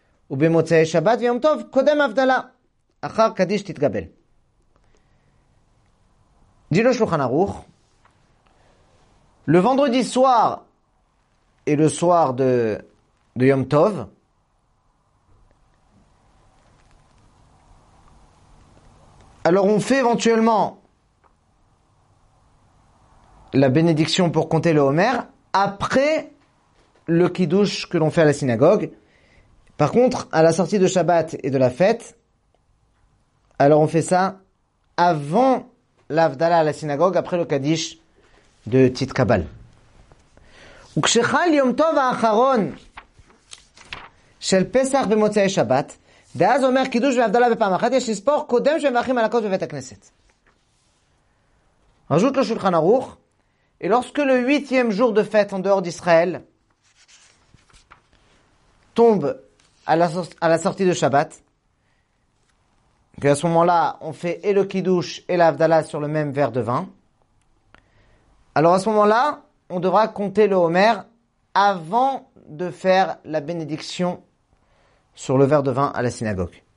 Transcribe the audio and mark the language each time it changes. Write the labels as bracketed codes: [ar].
[he] ובמוצאי שבת ויום טוב קודם הבדלה אחר קדיש תתגבל. דין לשולחן ערוך. [fr] Le vendredi soir et le soir de Yom Tov, alors on fait éventuellement la bénédiction pour compter le Homer après le kiddush que l'on fait à la synagogue. Par contre, à la sortie de Shabbat et de la fête, alors on fait ça avant l'Avdala à la synagogue, après le Kaddish de Tit Kabbal. [he] וכשחל יום טוב האחרון של פסח במוצאי שבת, ואז אומר קידוש והבדלה בפעם אחת, יש לספור קודם שמברכים על הכוס בבית הכנסת. [fr] Rajoute le Shulchan Aruch, et lorsque le huitième jour de fête en dehors d'Israël tombe à la sortie de Shabbat, qu'à ce moment-là, on fait et le Kiddush et l'Avdala sur le même verre de vin, alors à ce moment-là, on devra compter le Homer avant de faire la bénédiction sur le verre de vin à la synagogue.